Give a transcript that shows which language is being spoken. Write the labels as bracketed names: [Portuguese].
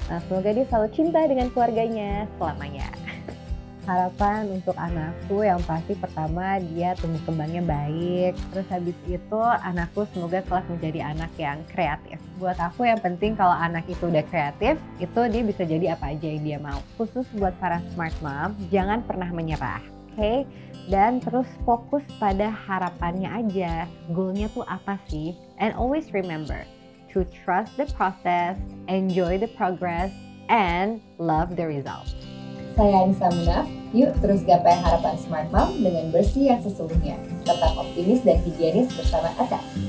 [Indonesian] Semoga dia selalu cinta dengan keluarganya selamanya. Harapan untuk anakku yang pasti pertama dia tumbuh kembangnya baik, terus habis itu anakku semoga kelak menjadi anak yang kreatif. Buat aku yang penting kalau anak itu udah kreatif, itu dia bisa jadi apa aja yang dia mau. Khusus buat para smart mom, jangan pernah menyerah. okay? Dan terus fokus pada harapannya aja, goalnya tuh apa sih? [English] And always remember to trust the process, enjoy the progress, and love the result. [Indonesian] Saya Anissa Munaf, yuk terus gapai harapan Smart Mom dengan bersih yang sesungguhnya. Tetap optimis dan higienis bersama Atta.